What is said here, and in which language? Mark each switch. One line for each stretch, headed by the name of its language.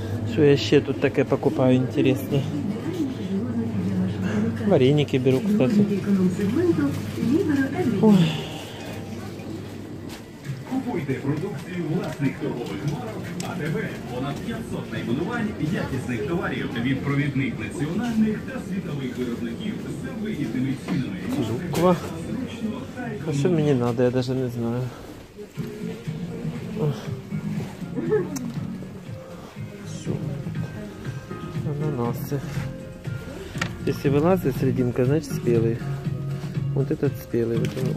Russian: Что я еще тут такое покупаю интересное? Вареники беру, кстати. Ой.
Ukrainian: Купуйте продукцию власних торговых марок АТБ. Понад 500 найменований якісних товарів від провідних національних та світових виробників з вигідними цінами. Жуква.
Russian: А что мне надо, я даже не знаю. Все. Ананасы. Если вылазит серединка, значит спелый. Вот этот спелый. Вот он.